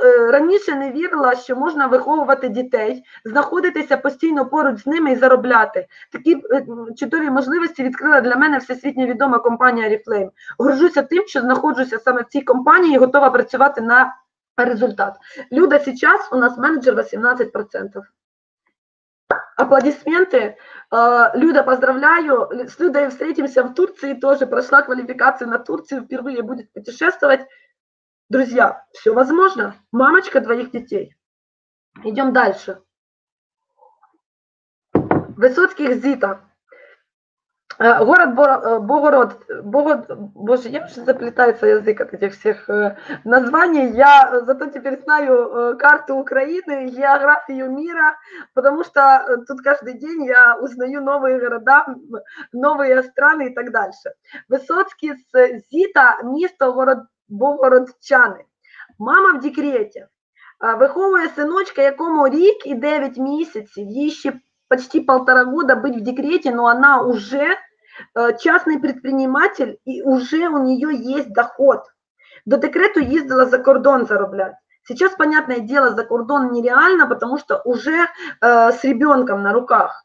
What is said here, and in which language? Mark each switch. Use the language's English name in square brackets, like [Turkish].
[Ukrainian] Раніше не вірила, що можна виховувати дітей, знаходитися постійно поруч з ними і заробляти. Такі чудові можливості відкрила для мене всесвітньо відома компанія Oriflame. Горжуся тим, що знаходжуся саме в цій компанії і готова працювати на результат. Люда, зараз у нас менеджер 18%. [Russian] Аплодисменты. Люда, поздравляю. С Людой встретимся в Турции тоже. Прошла квалификацию на Турцию. Впервые будет путешествовать. Друзья, все возможно. Мамочка двоих детей. Идем дальше. Высоцких Зита. Город Богород, боже, я уже заплетается язык от этих всех названий. Я зато теперь знаю карту Украины, географию мира, потому что тут каждый день я узнаю новые города, новые страны и так дальше. [Ukrainian] Высоцкий с Зита, місто [Russian] город [Ukrainian] Богородчани. Мама в декреті. Виховує синочка, якому рік і 9 місяців. Їй ще [Russian] почти полтора года быть [Ukrainian] в декреті, [Russian] но она уже частный предприниматель, и уже у нее есть доход. До декрета ездила [Ukrainian] за кордон зароблять. [Russian] Сейчас, понятное дело, [Ukrainian] за кордон [Russian] нереально, потому что уже с ребенком на руках.